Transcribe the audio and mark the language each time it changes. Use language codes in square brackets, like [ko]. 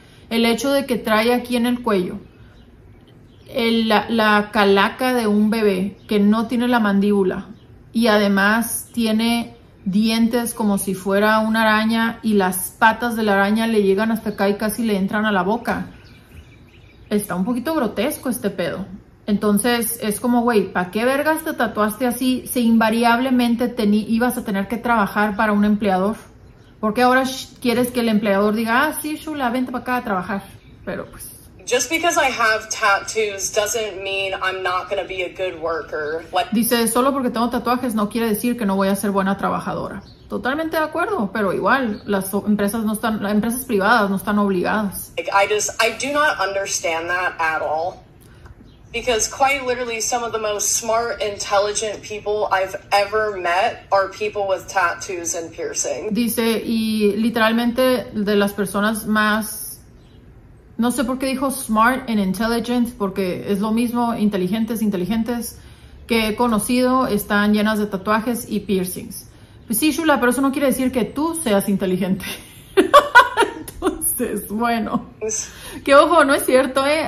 [es] El hecho de que trae aquí en el cuello la calaca de un bebé que no tiene la mandíbula y además tiene dientes como si fuera una araña y las patas de la araña le llegan hasta acá y casi le entran a la boca. Está un poquito grotesco este pedo. Entonces es como, güey, ¿para qué vergas te tatuaste así si invariablemente ibas a tener que trabajar para un empleador? ¿Por qué ahora quieres que el empleador diga, ah, sí, chula, vente para acá a trabajar? Pero pues. [en] Just because I have tattoos doesn't mean I'm not going to be a good worker. [es] Dice, solo porque tengo tatuajes no quiere decir que no voy a ser buena trabajadora. Totalmente de acuerdo, pero igual, las empresas privadas no están obligadas. [en] I do not understand that at all. Because quite literally, some of the most smart, intelligent people I've ever met are people with tattoos and piercing. [es] Dice, y literalmente de las personas más. No sé por qué dijo [en] smart and intelligent, [es] porque es lo mismo, inteligentes, inteligentes, que he conocido, están llenas de tatuajes y piercings. Pues sí, Shula, pero eso no quiere decir que tú seas inteligente. Entonces, bueno, que ojo, no es cierto, ¿eh?